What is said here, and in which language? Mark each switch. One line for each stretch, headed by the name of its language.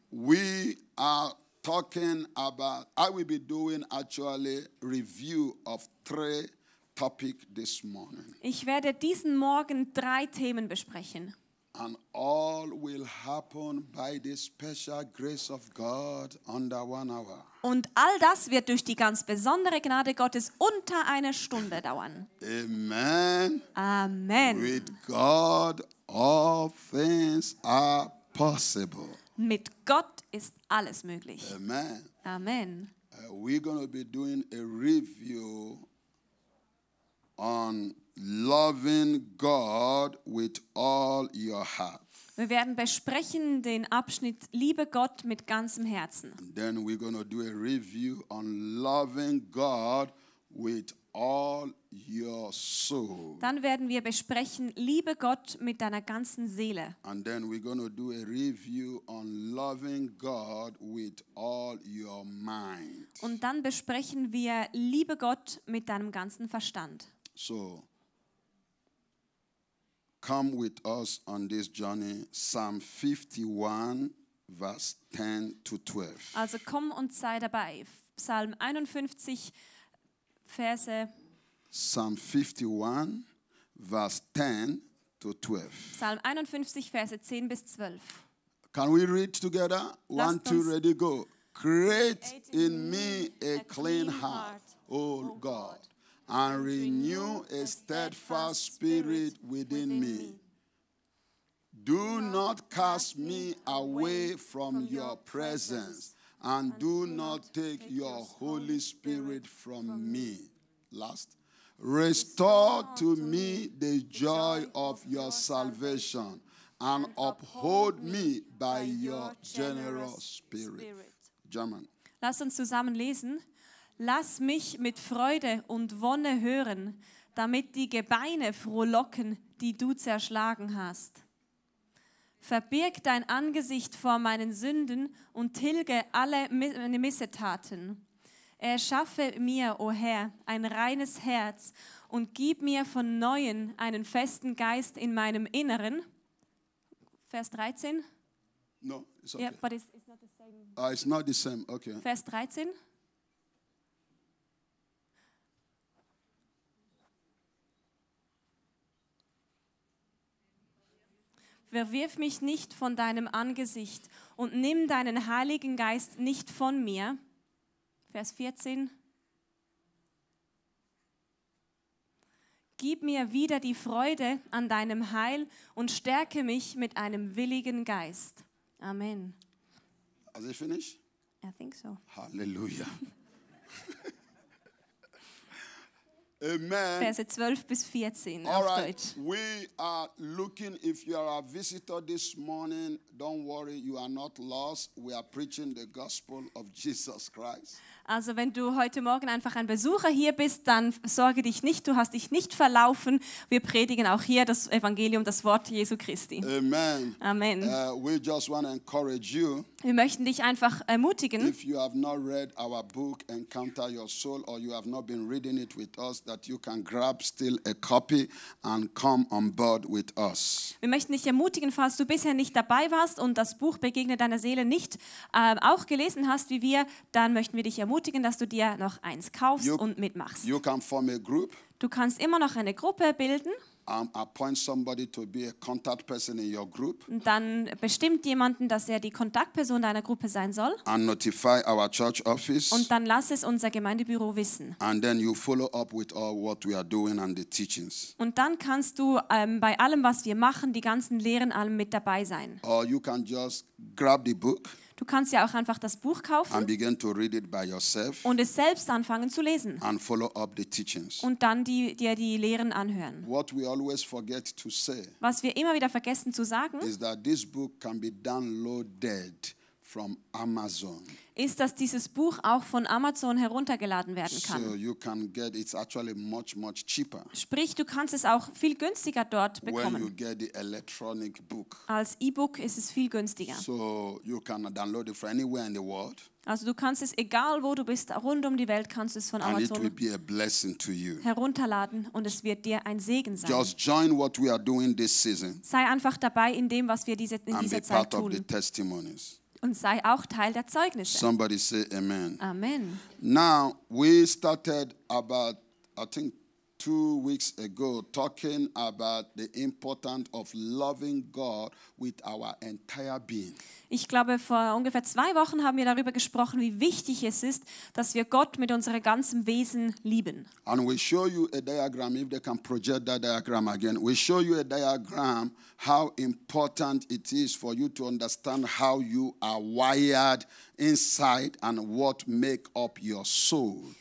English: We are talking about, I will be doing actually review of three topics this morning.
German: Ich werde diesen Morgen drei Themen besprechen.
English: And all will happen by the special grace of God under 1 hour.
German: Und all das wird durch die ganz besondere Gnade Gottes unter einer Stunde dauern. Amen. Amen.
English: With God, all things are possible.
German: Mit Gott ist alles möglich. Amen. Amen.
English: We're going to be doing a review on loving God with all your heart.
German: Wir werden besprechen den Abschnitt Liebe Gott mit ganzem Herzen.
English: Then we're going to do a review on loving God with all your soul.
German: Dann werden wir besprechen Liebe Gott mit deiner ganzen Seele.
English: And then we're going to do a review on loving God with all your mind.
German: Und dann besprechen wir Liebe Gott mit deinem ganzen Verstand.
English: So come with us on this journey, Psalm 51, verse 10 to 12.
German: Also komm und sei dabei. Psalm 51, Verse.
English: Psalm 51, verse 10 to 12.
German: Psalm 51, Verse 10 bis 12.
English: Can we read together? Lasst one, two, ready, go. Create in me a clean heart, O God. And renew a steadfast spirit within me. Do not cast me away from your presence, and do not take your Holy Spirit from me. Last. Restore to me the joy of your salvation, and uphold me by your generous spirit. German.
German: Lass uns zusammen lesen. Lass mich mit Freude und Wonne hören, damit die Gebeine frohlocken, die du zerschlagen hast. Verbirg dein Angesicht vor meinen Sünden und tilge alle meine Missetaten. Erschaffe mir, o Herr, ein reines Herz und gib mir von Neuem einen festen Geist in meinem Inneren. Vers 13?
English: No, it's okay. Yeah, but it's not the same. It's not the same, okay.
German: Vers 13? Verwirf mich nicht von deinem Angesicht und nimm deinen Heiligen Geist nicht von mir. Vers 14. Gib mir wieder die Freude an deinem Heil und stärke mich mit einem willigen Geist. Amen.
English: Are you finished? I think so. Halleluja. Amen.
German: Verse 12 bis 14
English: All
German: auf
English: right.
German: Deutsch.
English: We are looking, if you are a visitor this morning, don't worry, you are not lost. We are preaching the gospel of Jesus Christ.
German: Also wenn du heute Morgen einfach ein Besucher hier bist, dann sorge dich nicht, du hast dich nicht verlaufen. Wir predigen auch hier das Evangelium, das Wort Jesu Christi. Amen. Amen.
English: We just want to encourage you.
German: Wir möchten dich einfach ermutigen.
English: If you have not read our book, Encounter Your Soul, or you have not been reading it with us, that you can grab still a copy and come on board with us.
German: Wir möchten dich ermutigen, falls du bisher nicht dabei warst und das Buch Begegne deiner Seele nicht auch gelesen hast wie wir, dann möchten wir dich ermutigen, dass du dir noch eins kaufst und mitmachst.
English: You can form a group.
German: Du kannst immer noch eine Gruppe bilden.
English: Appoint somebody to be a contact person in your group.
German: Dann bestimmt jemanden, dass er die Kontaktperson deiner Gruppe sein soll.
English: And notify our church office.
German: Und dann lass es unser Gemeindebüro wissen.
English: And then you follow up with all what we are doing and the teachings.
German: Und dann kannst du bei allem, was wir machen, die ganzen Lehren allem mit dabei sein.
English: Or you can just grab the book.
German: Du kannst ja auch einfach das Buch kaufen
English: and begin to read it by yourself
German: und es selbst anfangen zu lesen
English: and follow up the teachings.
German: Und dann die Lehren anhören.
English: What we always forget to say,
German: was wir immer wieder vergessen zu sagen,
English: is that this book can be downloaded from Amazon.
German: Ist, dass dieses Buch auch von Amazon heruntergeladen werden kann.
English: So you can get, it's actually much, much cheaper.
German: Sprich, du kannst es auch viel günstiger dort bekommen.
English: When you get the electronic book.
German: Als E-Book ist es viel günstiger.
English: So you can download it from anywhere in the world.
German: Also du kannst es, egal wo du bist, rund um die Welt kannst du es von
English: and Amazon it will be a blessing to you.
German: Herunterladen und es wird dir ein Segen sein.
English: Just join what we are doing this season.
German: Sei einfach dabei in dem, was wir diese, in
English: and
German: dieser
English: be
German: Zeit tun.
English: Of the testimonies.
German: Und sei auch Teil der Zeugnisse.
English: Somebody say amen. Amen. Now, we started about, I think, 2 weeks ago, talking about the importance of loving God with our entire being.
German: Ich glaube, vor ungefähr 2 Wochen haben wir darüber gesprochen, wie wichtig es ist, dass wir Gott mit unserem ganzen Wesen lieben.
English: And we show you a diagram, if they can project that diagram again. We show you a diagram, how important it is for you to understand how you are wired inside and what make up your soul.